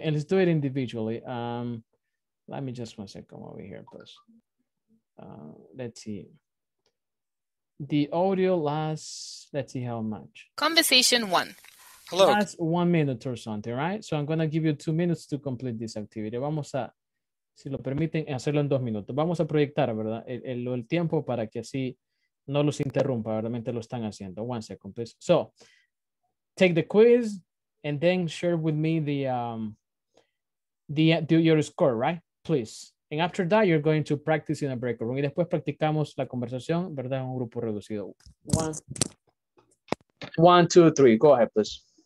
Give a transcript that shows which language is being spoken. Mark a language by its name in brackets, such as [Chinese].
[English] And let's do it individually. Let me just one second over here, please. Let's see. The audio lasts, let's see how much. Conversation 1. Hello. That's 1 minute or something, right? So I'm going to give you 2 minutes to complete this activity. [Spanish] Vamos a, si lo permiten, hacerlo en 2 minutos. Vamos a proyectar, ¿verdad? El tiempo para que así no los interrumpa. Realmente lo están haciendo. [English] 1 second, please. So, take the quiz and then share with me your score, right? Please. And after that, you're going to practice in a break room. [Spanish] Y después practicamos la conversación, ¿verdad? En un grupo reducido. [English] 1, 2, 3. Go ahead, please.